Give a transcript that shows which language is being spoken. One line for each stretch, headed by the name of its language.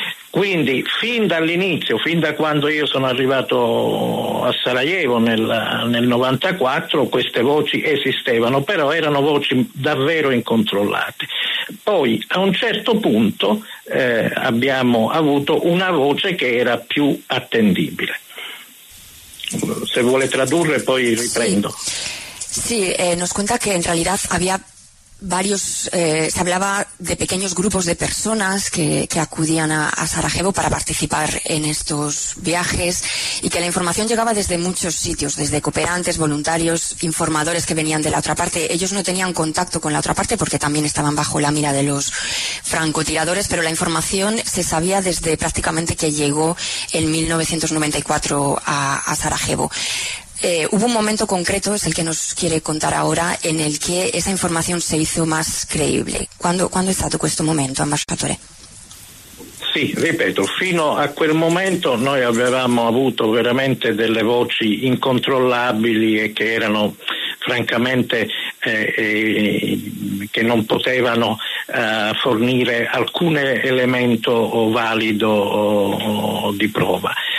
Italian: Quindi fin dall'inizio, fin da quando io sono arrivato a Sarajevo nel 94, queste voci esistevano, però erano voci davvero incontrollate. Poi a un certo punto abbiamo avuto una voce che era più attendibile. Se vuole tradurre poi riprendo.
Spanish: Sì, nos cuenta que en realidad había varios, se hablaba de pequeños grupos de personas que acudían a Sarajevo para participar en estos viajes y que la información llegaba desde muchos sitios, desde cooperantes, voluntarios, informadores que venían de la otra parte. Ellos no tenían contacto con la otra parte porque también estaban bajo la mira de los francotiradores, pero la información se sabía desde prácticamente que llegó en 1994 a Sarajevo. Hubo un momento concreto, es el que nos quiere contar ahora, en el que esa información se hizo más creíble. ¿Cuándo
Italian: è stato questo momento, ambasciatore? Sì, ripeto, fino a quel momento noi avevamo avuto veramente delle voci incontrollabili e che erano francamente che non potevano fornire alcun elemento valido di prova.